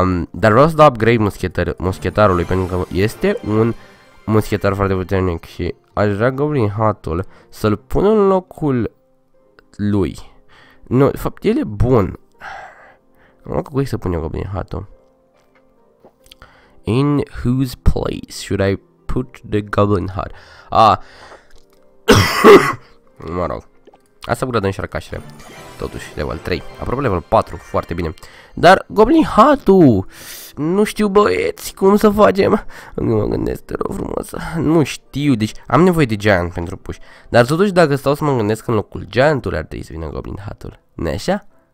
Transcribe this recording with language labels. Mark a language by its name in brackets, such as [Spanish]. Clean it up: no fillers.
[Romanian] Dar vreau să dau upgrade muschetarului, pentru că este un muschetar foarte puternic și aș vrea Goblin Hat-ul să-l pun în locul lui. Nu, de fapt el e bun. În locul cui să pun eu Goblin Hat-ul? [English] In whose place should I put the goblin hat. [Romanian] mă rog. Asta bună de înșarcașere. Totuși, level 3. Aproape level 4. Foarte bine. Dar goblin hat-ul. Nu știu, băieți, cum să facem. Nu mă gândesc, te rog frumos. Nu știu. Deci, am nevoie de giant pentru puș. Dar totuși, dacă stau să mă gândesc în locul giant-ului, ar trebui să vină goblin hat-ul. Neșa?